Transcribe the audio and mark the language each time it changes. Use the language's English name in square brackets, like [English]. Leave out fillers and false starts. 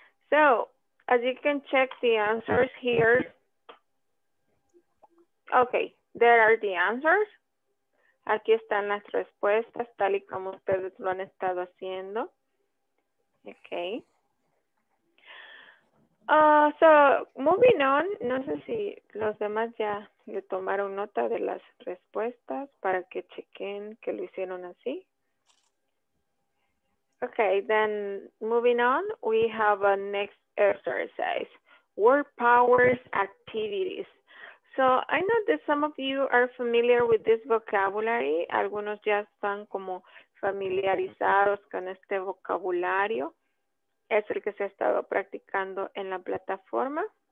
[English] So, as you can check the answers here, okay, there are the answers. [Spanish] Aquí están las respuestas, tal y como ustedes lo han estado haciendo. Okay. [English] So, moving on, [Spanish] no sé si los demás ya le tomaron nota de las respuestas para que chequen que lo hicieron así. [English] Okay, then moving on, we have a next exercise. Word powers activities. So, I know that some of you are familiar with this vocabulary. [Spanish] Algunos ya están como familiarizados con este vocabulario. Es el que se ha estado practicando en la plataforma.